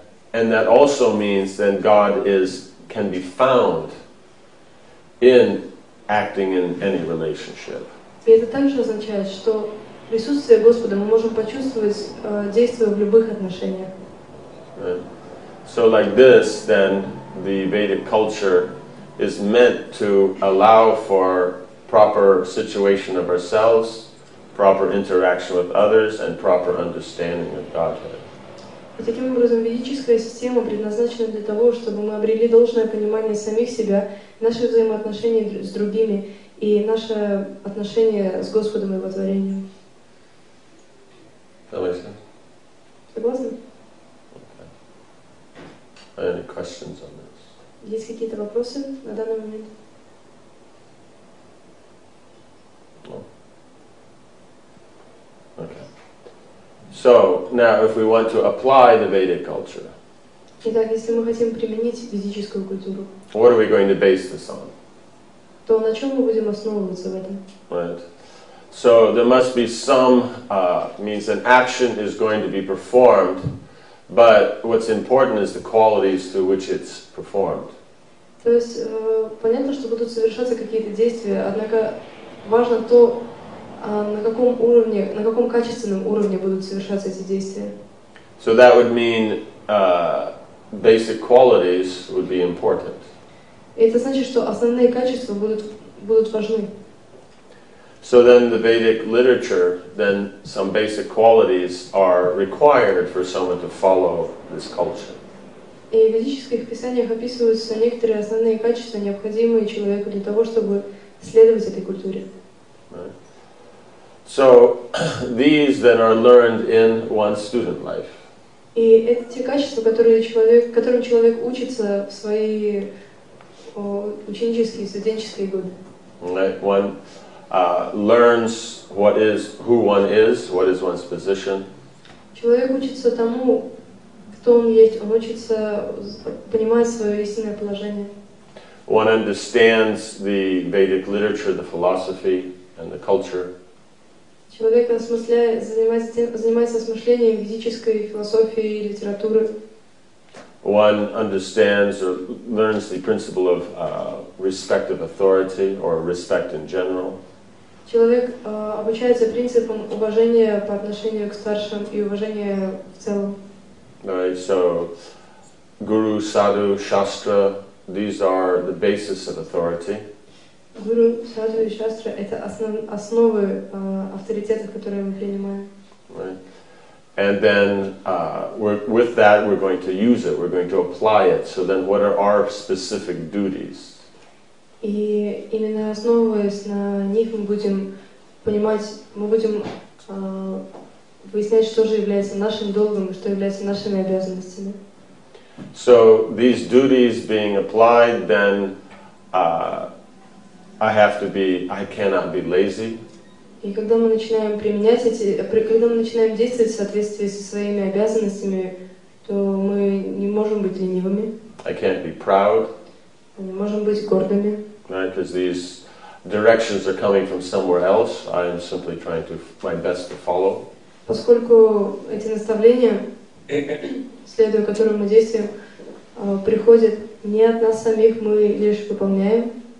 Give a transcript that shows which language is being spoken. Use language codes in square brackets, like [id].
[en] And that also means that God is can be found in acting in any relationship. [ru] И это также означает, что присутствие Господа мы можем почувствовать, действуя в любых отношениях. [en] So like this, then the Vedic culture is meant to allow for proper situation of ourselves, proper interaction with others, and proper understanding of Godhead. [ru] И таким образом, ведическая система предназначена для того, чтобы мы обрели должное понимание самих себя, наши взаимоотношения с другими и наше отношение с Господом и Его творением. Согласны? [en] Are there any questions on this? [ru] Есть какие-то вопросы на данный момент? [en] So, now if we want to apply the Vedic culture. [ru] Итак, если мы хотим применить ведическую культуру. [en] What are we going to base this on? [ru] То на чем мы будем основываться в этом? [en] Right. So, there must be some means an action is going to be performed, but what's important is the qualities through which it's performed. [ru] То есть понятно, что будут совершаться какие-то действия, однако важно то, на каком уровне, на каком качественном уровне будут совершаться эти действия. [en] So that would mean basic qualities would be important. [ru] И это значит, что основные качества будут важны. [en] So then the Vedic literature, then some basic qualities are required for someone to follow this culture. [ru] И в ведических писаниях описываются некоторые основные качества, необходимые человеку для того, чтобы следовать этой культуре. [en] So, these then are learned in one's student life. [ru] И это те качества, которым человек учится в свои ученические, студенческие годы. [en] Right. One learns who one is, what is one's position. [ru] Человек учится тому, кто он есть, он учится понимать свое истинное положение. [en] One understands the Vedic literature, the philosophy, and the culture. [ru] Человек занимается осмышлением ведической философии и литературы. [en] One understands or learns the principle of respect of authority or respect in general. [ru] Человек обучается принципам уважения по отношению к старшим и уважения в целом. [en] Right, so guru, sadhu, shastra, These are the basis of authority. [ru] Гуру, садху и шастра — это основы авторитета, которые мы принимаем. [en] And then with that we're going to use it, we're going to apply it. So then what are our specific duties? [ru] И именно основываясь на них, мы будем понимать, мы будем выяснять, что же является нашим долгом, что является нашими обязанностями. [en] So these duties being applied, then I cannot be lazy. [ru] И когда мы начинаем применять эти, когда мы начинаем действовать в соответствии со своими обязанностями, то мы не можем быть ленивыми. [en] I can't be proud. [ru] Мы не можем быть гордыми. [en] Right, because these directions are coming from somewhere else. I am simply trying to my best to follow. [ru] Поскольку эти наставления, следуя которым мы действуем, приходят не от нас самих, мы лишь выполняем.